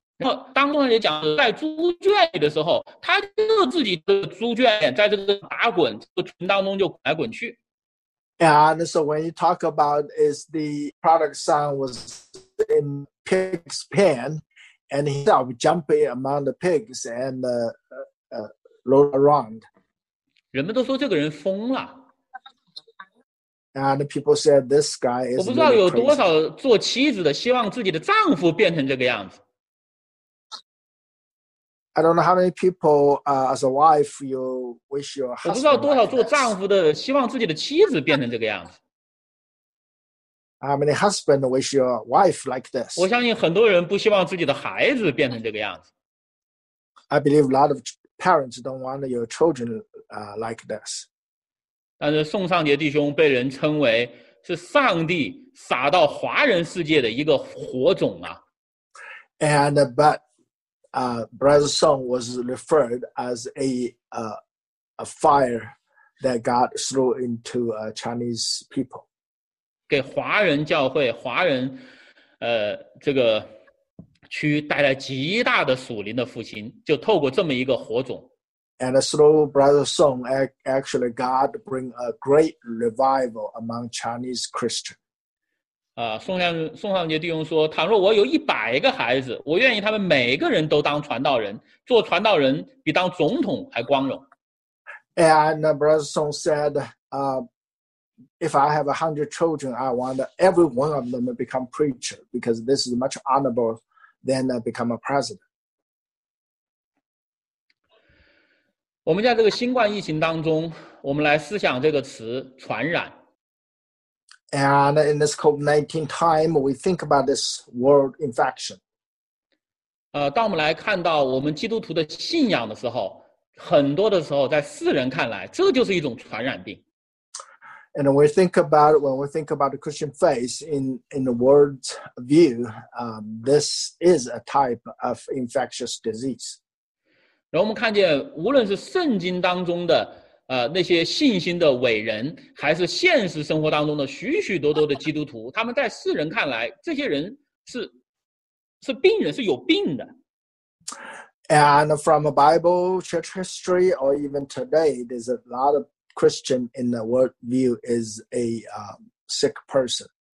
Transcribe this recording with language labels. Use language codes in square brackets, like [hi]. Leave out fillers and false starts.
[zh] 然后当中也讲在猪圈里的时候，他就自己的猪圈在这个打滚，这个群当中就滚来滚去。 [en] And so when you talk about is the product son was in pig's pen, and he started jumping among the pigs and roll around. [zh] 人们都说这个人疯了。 [en] And people said this guy is. [zh] 我不知道有多少做妻子的希望自己的丈夫变成这个样子。 [en] I don't know how many people, as a wife, you wish your husband. [zh] 我不知道多少做丈夫的希望自己的妻子变成这个样子。 [en] How many husbands wish your wife like this? [zh] 我相信很多人不希望自己的孩子变成这个样子。 [en] I believe a lot of parents don't want your children, like this. [zh] 但是宋尚杰弟兄被人称为是上帝撒到华人世界的一个火种啊。 [en] And but. Brother Song was referred as a fire that God threw into Chinese people. [zh] 给华人教会华人这个区带来极大的属灵的复兴，就透过这么一个火种。 [en] And through Brother Song, actually God bring a great revival among Chinese Christians. [zh] 宋尚杰弟兄说，倘若我有100个孩子，我愿意他们每个人都当传道人，做传道人比当总统还光荣。 [en] And Brother Song said, if I have 100 children, I want every one of them to become preacher, because this is much honorable than become a president. [zh] 我们在这个新冠疫情当中，我们来思想这个词传染。 [en] And in this COVID-19 time, we think about this word infection. [zh] 当我们来看到我们基督徒的信仰的时候，很多的时候在世人看来，这就是一种传染病。 [en] And we think about, when we think about the Christian faith in the world's view, this is a type of infectious disease. [zh] 然后我们看见，无论是圣经当中的那些信心的伟人，还是现实生活当中的许许多多的基督徒，他们在世人看来，这些人是病人，是有病的。 [en] And from a Bible, church history, or even today, there's a lot of Christian in the world view is a sick person.